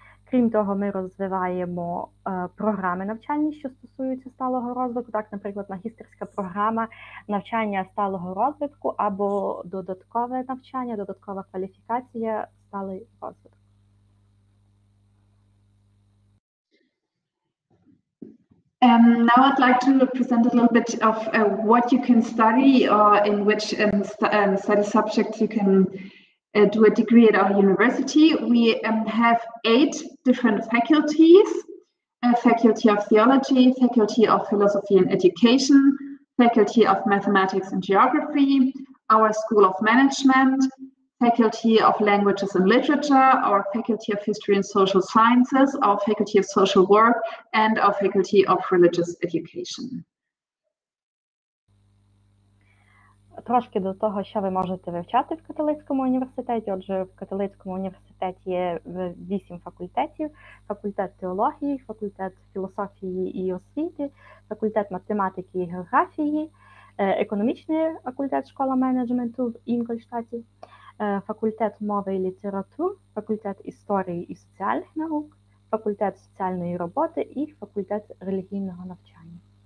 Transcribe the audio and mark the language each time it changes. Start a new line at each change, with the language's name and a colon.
Ukrainian: Крім того, ми розвиваємо програми навчання, що стосуються сталого розвитку, так, наприклад, магістерська програма навчання сталого розвитку або додаткове навчання, додаткова кваліфікація сталий розвиток.
English: Now I'd like to present a little bit of what you can study or in which study subjects you can do a degree at our university. We have 8 different faculties, a Faculty of Theology, Faculty of Philosophy and Education, Faculty of Mathematics and Geography, our School of Management, Faculty of Languages and Literature, our Faculty of History and Social Sciences, our Faculty of Social Work, and our Faculty of Religious Education.
Ukrainian: Трошки до того, що ви можете вивчати в Католицькому університеті. Отже, в Католицькому університеті є 8 факультетів. Факультет теології, факультет філософії і освіти, факультет математики і географії, економічний факультет школа менеджменту в Інгольштаті, факультет мови і літератури, факультет історії і соціальних наук, факультет соціальної роботи і факультет релігійного навчання.